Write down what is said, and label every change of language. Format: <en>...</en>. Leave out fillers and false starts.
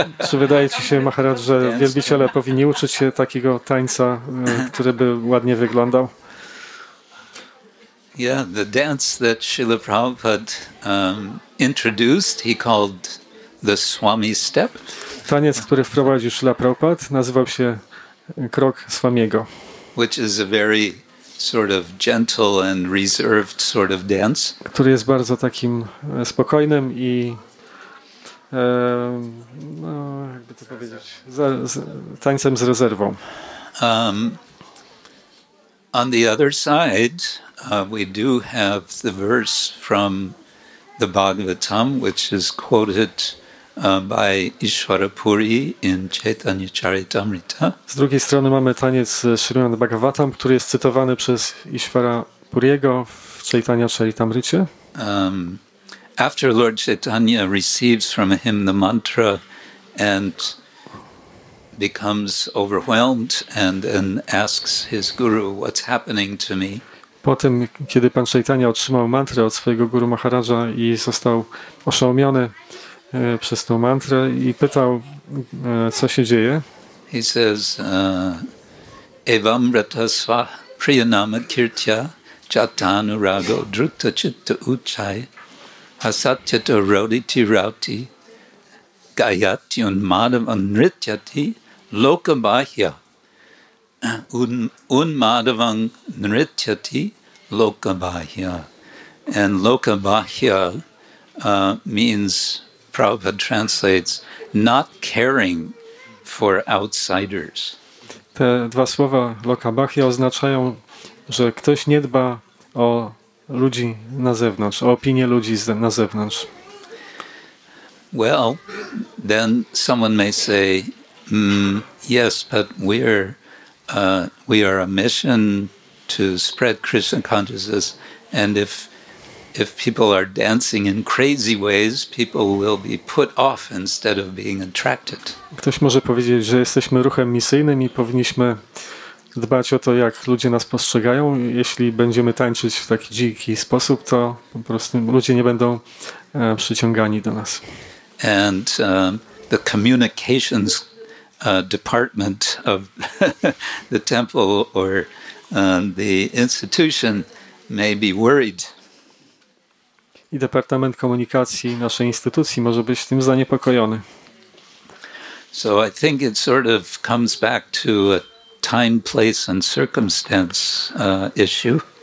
<pl>Czy wydaje ci się, Maharaj, że wielbiciele powinni uczyć się takiego tańca, który by ładnie wyglądał?</pl> <en>Yeah, the dance that Srila Prabhupada introduced, he called the Swami step.</en> <pl>Taniec, który wprowadził Srila Prabhupada, nazywał się krok Swamiego.</pl> <en>Which is a very sort of gentle and reserved sort of dance.</en> <pl>Który jest bardzo takim spokojnym i no, jakby to powiedzieć, tańcem z rezerwą.</pl> <en>On the other side, we do have the verse from the Bhagavatam, which is quoted by Ishwara Puri in Chaitanya Charitamrita.</en> <pl>Z drugiej strony mamy taniec Śrimad Bhagavatam, który jest cytowany przez Ishwara Puriego w Chaitanya Charitamrita.</pl> <en>After Lord Chaitanya receives from him the mantra and becomes overwhelmed and then asks his guru, what's happening to me?</en> <pl>Potem, kiedy pan Chaitanya otrzymał mantrę od swojego guru Maharaja i został oszołomiony przez tą mantrę i pytał, co się dzieje?</pl> <en>He says,</en> <sa>evamrata sva priyanama kirtya jatanurago druta chitta uchai asatyata roditi rauti gayati unmadava nrityati lokabahya unmadavang nrityati lokabahya.</sa> <en>And lokabahya means, Prabhupada translates, not caring for outsiders.</en> <pl>Te dwa słowa lokabahya oznaczają, że ktoś nie dba o ludzi na zewnątrz, o opinię ludzi na zewnątrz.</pl> <en>Well, then someone may say, yes, but we are a mission to spread Krishna consciousness, and if people are dancing in crazy ways, people will be put off instead of being attracted.</en> <pl>Ktoś może powiedzieć, że jesteśmy ruchem misyjnym i powinniśmy dbać o to, jak ludzie nas postrzegają. Jeśli będziemy tańczyć w taki dziki sposób, to po prostu ludzie nie będą przyciągani do nas.</pl> <en>And the communications department of the temple or the institution may be worried.</en> <pl>I departament komunikacji naszej instytucji może być tym zaniepokojony.</pl> <en>So I think it sort of comes back to a time, place and circumstance issue.</en>